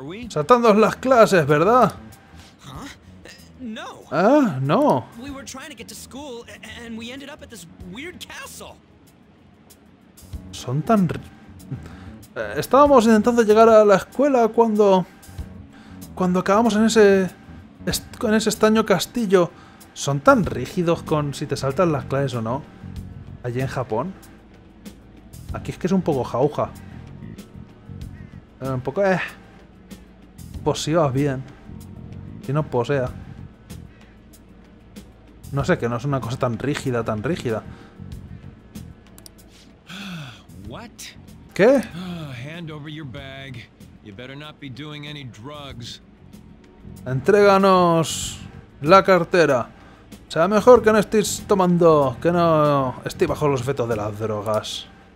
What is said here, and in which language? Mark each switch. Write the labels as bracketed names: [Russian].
[Spanish] Saltando las clases, ¿verdad? No. [English] We were trying to get to school and we ended up at this weird castle. [Spanish] Son tan estábamos intentando llegar a la escuela cuando acabamos en ese extraño castillo. Son tan rígidos con si te saltan las clases o no. Allí en Japón. Aquí es que es un poco jauja. Un poco pues si vas bien. Si no, pues sea. No sé, que no es una cosa tan rígida, tan rígida. ¿Qué? [English] Hand over your bag. You better not be doing any drugs. [Spanish] Entréganos la cartera. O sea, mejor que no estéis tomando, que no estéis bajo los efectos de las drogas.